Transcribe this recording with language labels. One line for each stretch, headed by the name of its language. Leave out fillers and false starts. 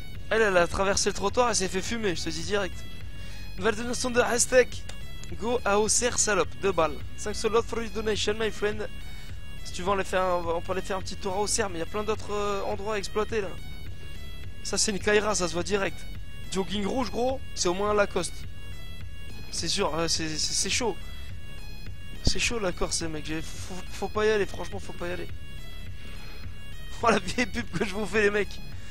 French: Elle a traversé le trottoir et s'est fait fumer, je te dis direct. Nouvelle donation de Aztec. Go à OCR salope, 2 balles.
English: Thanks a lot for your donation, my friend.
French: Si tu veux, on peut aller faire un petit tour à OCR, mais il y a plein d'autres endroits à exploiter là. Ça, c'est une Kaira, ça se voit direct. Jogging rouge, gros, c'est au moins Lacoste. C'est sûr, c'est chaud. C'est chaud la Corse, mec. Faut pas y aller, franchement, faut pas y aller. Oh la vieille pub que je vous fais, les mecs.